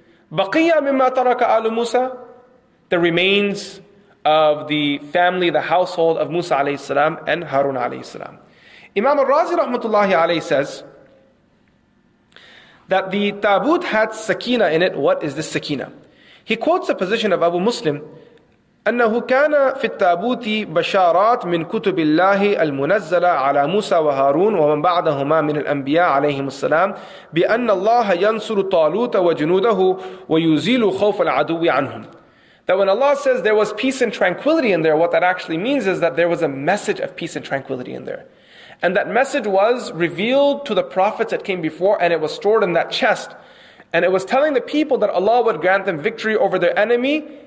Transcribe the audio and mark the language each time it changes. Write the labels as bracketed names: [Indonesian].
[Arabic] Baqiyya mimma taraka alu Musa, [English] the remains of the family, the household of Musa alayhi salam and Harun alayhi salam. Imam al-Razi rahmatullahi alayhi says that the tabut had sakina in it. What is this sakina? He quotes the position of Abu Muslim, [Arabic] أنه كان في التابوت بشارات من كتب الله المنزلة على موسى وهارون ومن بعدهما من الأنبياء عليهم السلام بأن الله ينصر طالوت وجنوده ويزيل خوف العدو عنهم. [English] That when Allah says there was peace and tranquility in there, what that actually means is that there was a message of peace and tranquility in there. And that message was revealed to the prophets that came before, and it was stored in that chest. And it was telling the people that Allah would grant them victory over their enemy